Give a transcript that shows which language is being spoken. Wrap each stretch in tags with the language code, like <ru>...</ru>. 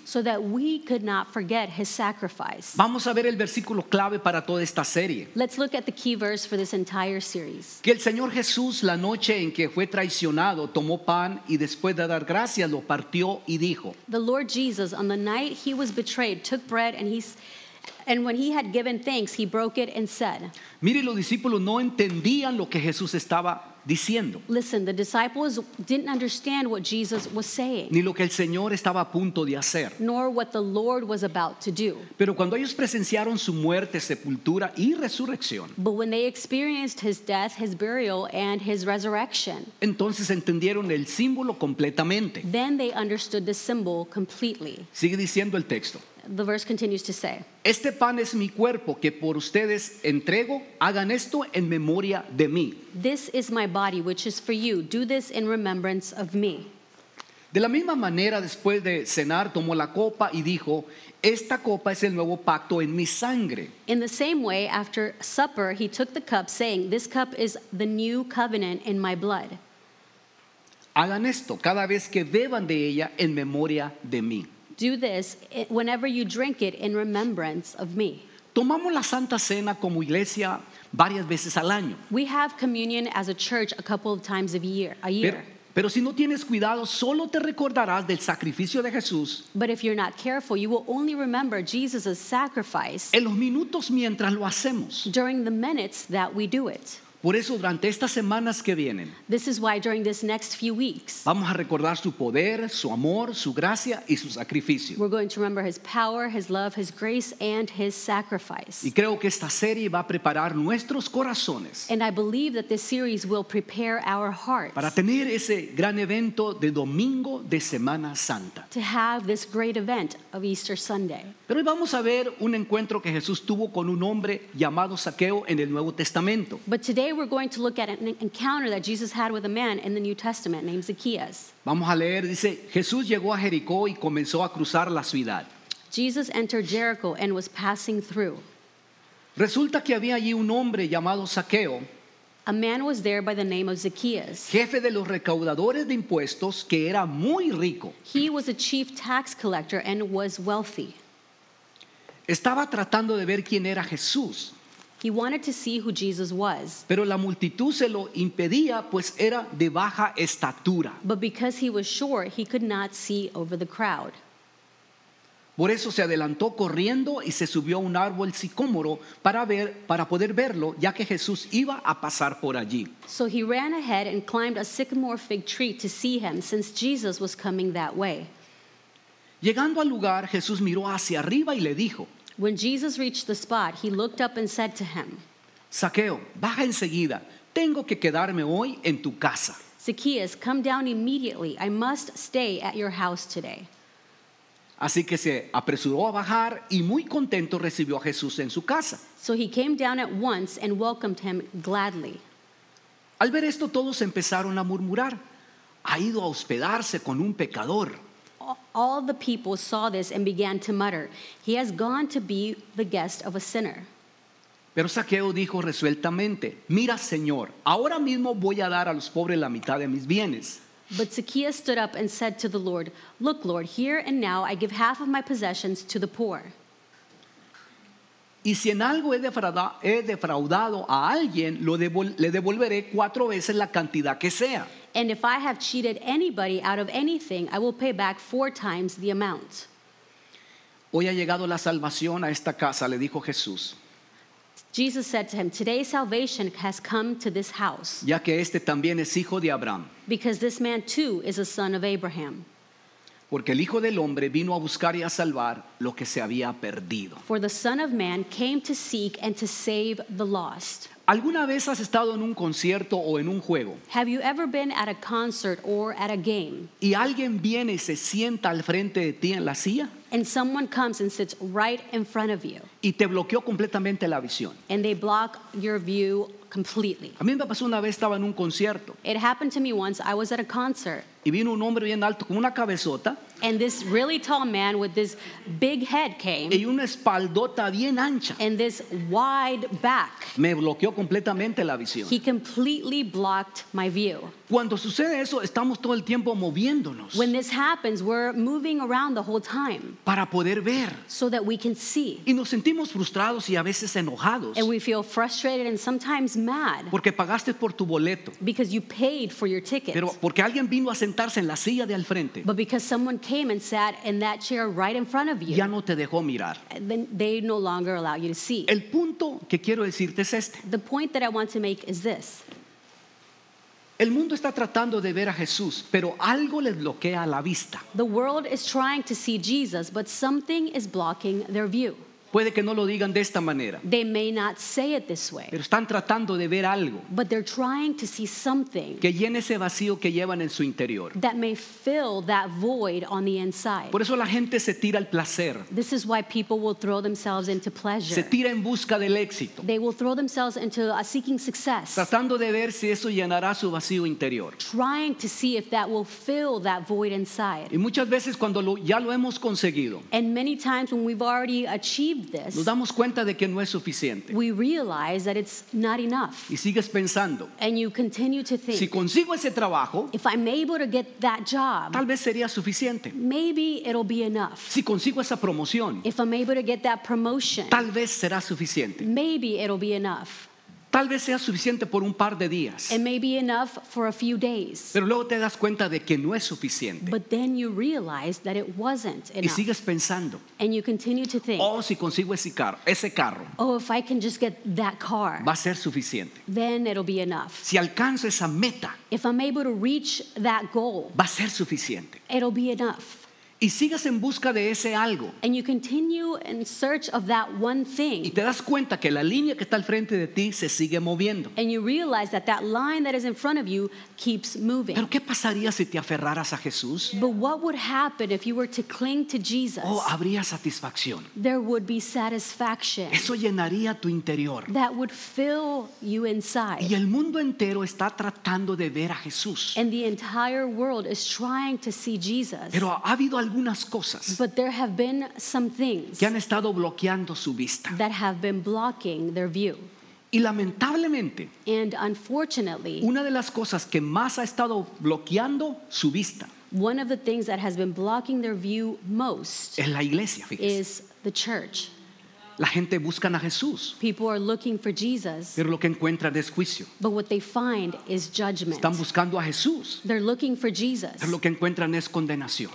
<en>So that we could not forget his sacrifice.</en> <es>Vamos a ver el versículo clave para toda esta serie.</es> <en>Let's look at the key verse for this entire series.</en> <es>Que el Señor Jesús, la noche en que fue traicionado, tomó pan y después de dar gracias lo partió y dijo.</es> <en>The Lord Jesus, on the night he was betrayed, took bread and And when he had given thanks, he broke it and said,</en> <es>mire, los discípulos no entendían lo que Jesús estaba diciendo.</es> <en>Listen, the disciples didn't understand what Jesus was saying.</en> <es>Ni lo que el Señor estaba a punto de hacer.</es> <en>Nor what the Lord was about to do.</en> <es>Pero cuando ellos presenciaron su muerte, sepultura y resurrección.</es> <en>But when they experienced his death, his burial, and his resurrection.</en> <es>Entonces entendieron el símbolo completamente.</es> <en>Then they understood the symbol completely.</en> <es>Sigue diciendo el texto.</es> <en>The verse continues to say,</en> <es>este pan es mi cuerpo que por ustedes entrego, hagan esto en memoria de mí.</es> <en>This is my body which is for you, do this in remembrance of me.</en> <es>De la misma manera, después de cenar, tomó la copa y dijo, esta copa es el nuevo pacto en mi sangre.</es> <en>In the same way, after supper, he took the cup, saying, this cup is the new covenant in my blood.</en> <es>Hagan esto cada vez que beban de ella en memoria de mí.</es> <en>Do this whenever you drink it in remembrance of me.</en> <es>Tomamos la Santa Cena como iglesia varias veces al año.</es> <en>We have communion as a church a couple of times a year.</en> <es>Pero si no tienes cuidado, solo te recordarás del sacrificio de Jesús.</es> <en>But if you're not careful, you will only remember Jesus' sacrifice.</en> <es>En los minutos mientras lo hacemos.</es> <en>During the minutes that we do it.</en> <es>Por eso durante estas semanas que vienen.</es> <en>This is why during this next few weeks.</en> <es>Vamos a recordar su poder, su amor, su gracia y su sacrificio.</es> <en>We're going to remember his power, his love, his grace and his sacrifice.</en> <es>Y creo que esta serie va a preparar nuestros corazones.</es> <en>And I believe that this series will prepare our hearts.</en> <es>Para tener ese gran evento de domingo de Semana Santa.</es> <en>To have this great event of Easter Sunday.</en> <es>Pero hoy vamos a ver un encuentro que Jesús tuvo con un hombre llamado Zaqueo en el Nuevo Testamento.</es> <en>But today we're going to look at an encounter that Jesus had with a man in the New Testament named Zacchaeus.</en> <es>Vamos a leer, dice, Jesús llegó a Jericó y comenzó a cruzar la ciudad.</es> <en>Jesus entered Jericho and was passing through.</en> <es>Resulta que había allí un hombre llamado Zaqueo.</es> <en>A man was there by the name of Zacchaeus.</en> <es>Jefe de los recaudadores de impuestos, que era muy rico.</es> <en>He was a chief tax collector and was wealthy.</en> <es>Estaba tratando de ver quién era Jesús.</es> <en>He wanted to see who Jesus was.</en> <es>Pero la multitud se lo impedía, pues era de baja estatura.</es> <en>But because he was short, he could not see over the crowd.</en> <es>Por eso se adelantó corriendo y se subió a un árbol sicómoro para poder verlo, ya que Jesús iba a pasar por allí.</es> <en>So he ran ahead and climbed a sycamore fig tree to see him, since Jesus was coming that way.</en> <es>Llegando al lugar, Jesús miró hacia arriba y le dijo,</es> <en>when Jesus reached the spot, he looked up and said to him,</en> <es>Zaqueo, baja enseguida. Tengo que quedarme hoy en tu casa.</es> <en>Zacchaeus, come down immediately. I must stay at your house today.</en> <es>Así que se apresuró a bajar y muy contento recibió a Jesús en su casa.</es> <en>So he came down at once and welcomed him gladly.</en> <es>Al ver esto, todos empezaron a murmurar. Ha ido a hospedarse con un pecador.</es> <en>All the people saw this and began to mutter. He has gone to be the guest of a sinner.</en> <es>Pero Zaqueo dijo resueltamente, mira, Señor, ahora mismo voy a dar a los pobres la mitad de mis bienes.</es> <en>But Zacchaeus stood up and said to the Lord, look, Lord, here and now I give half of my possessions to the poor.</en> <es>Y si en algo he defraudado a alguien, le devolveré cuatro veces la cantidad que sea.</es> <en>And if I have cheated anybody out of anything, I will pay back four times the amount.</en> <es>Hoy ha llegado la salvación a esta casa, le dijo Jesús.</es> <en>Jesus said to him, today salvation has come to this house.</en> <es>Ya que este también es hijo de Abraham.</es> <en>Because this man too is a son of Abraham.</en> <es>Porque el hijo del hombre vino a buscar y a salvar lo que se había perdido.</es> <en>For the son of man came to seek and to save the lost.</en> <es>¿Alguna vez has estado en un concierto o en un juego?</es> <en>Have you ever been at a concert or at a game?</en> <es>¿Y alguien viene y se sienta al frente de ti en la silla?</es> <en>And someone comes and sits right in front of you.</en> <es>Y te bloqueó completamente la visión.</es> <en>And they block your view completely.</en> <es>A mí me pasó una vez, estaba en un concierto.</es> <en>It happened to me once, I was at a concert.</en> <es>Y vino un hombre bien alto con una cabezota.</es> <en>And this really tall man with this big head came.</en> <es>Y una espaldota bien ancha.</es> <en>And this wide back.</en> <es>Me bloqueó completamente la visión.</es> <en>He completely blocked my view.</en> <es>Cuando sucede eso, estamos todo el tiempo moviéndonos.</es> <en>When this happens, we're moving around the whole time.</en> <es>Para poder ver.</es> <en>So that we can see.</en> <es>Y nos sentimos frustrados y a veces enojados.</es> <en>And we feel frustrated and sometimes mad.</en> <es>Porque pagaste por tu boleto.</es> <en>Because you paid for your ticket.</en> <es>Pero porque alguien vino a sentarse en la silla de al frente.</es> <en>But because someone came and sat in that chair right in front of you.</en> <es>Ya no te dejó mirar.</es> <en>Then they no longer allow you to see.</en> <es>El punto que quiero decirte es este.</es> <en>The point that I want to make is this.</en> <es>El mundo está tratando de ver a Jesús, pero algo les bloquea la vista.</es> <en>The world is trying to see Jesus, but something is blocking their view.</en> <es>Puede que no lo digan de esta manera.</es> <en>They may not say it this way.</en> <es>Pero están tratando de ver algo.</es> <en>But they're trying to see something.</en> <es>Que llene ese vacío que llevan en su interior.</es> <en>That may fill that void on the inside.</en> <es>Por eso la gente se tira al placer.</es> <en>This is why people will throw themselves into pleasure.</en> <es>Se tira en busca del éxito.</es> <en>They will throw themselves into a seeking success.</en> <es>Tratando de ver si eso llenará su vacío interior.</es> <en>Trying to see if that will fill that void inside.</en> <es>Y muchas veces cuando ya lo hemos conseguido.</es> <en>And many times when we've already achieved this,</en> <es>nos damos cuenta de que no es suficiente.</es> <en>We realize that it's not enough.</en> <es>Y sigues pensando.</es> <en>And you continue to think.</en> <es>Si consigo ese trabajo,</es> <en>if I'm able to get that job,</en> <es>tal vez sería suficiente.</es> <en>Maybe it'll be enough.</en> <es>Si consigo esa promoción,</es> <en>if I'm able to get that promotion,</en> <es>tal vez será suficiente.</es> <en>Maybe it'll be enough.</en> <es>Tal vez sea suficiente por un par de días.</es> <en>It may be enough for a few days.</en> <es>Pero luego te das cuenta de que no es suficiente.</es> <en>But then you realize that it wasn't enough.</en> <es>Y sigues pensando.</es> <en>And you continue to think.</en> <es>Oh, si consigo ese carro.</es> <en>Oh, if I can just get that car.</en> <es>Va a ser suficiente.</es> <en>Then it'll be enough.</en> <es>Si alcanzo esa meta.</es> <en>If I'm able to reach that goal.</en> <es>Va a ser suficiente.</es> <en>It'll be enough.</en> <es>Y sigues en busca de ese algo.</es> <en>And you continue in search of that one thing.</en> <es>Y te das cuenta que la línea que está al frente de ti se sigue moviendo.</es> <en>And you realize that that line that is in front of you keeps moving.</en> <es>¿Pero qué pasaría si te aferraras a Jesús?</es> <en>But what would happen if you were to cling to Jesus?</en> <es>Oh, habría satisfacción.</es> <en>There would be satisfaction.</en> <es>Eso llenaría tu interior.</es> <en>That would fill you inside.</en> <es>Y el mundo entero está tratando de ver a Jesús.</es> <en>And the entire world is trying to see Jesus.</en> <es>Pero ha habido algunas cosas,</es> <en>but there have been some things</en> <es>que han estado bloqueando su vista,</es> <en>that have been blocking their view.</en> <es>Y lamentablemente,</es> <en>and unfortunately,</en> <es>una de las cosas que más ha estado bloqueando su vista,</es> <en>one of the things that has been blocking their view most,</en> <es>es la iglesia, fíjese,</es> <en>is the church.</en> <es>La gente busca a Jesús.</es> <en>People are looking for Jesus.</en> <es>Pero lo que encuentran es juicio.</es> <en>But what they find is judgment.</en> <es>Están buscando a Jesús.</es> <en>They're looking for Jesus.</en> <es>Pero lo que encuentran es condenación.</es>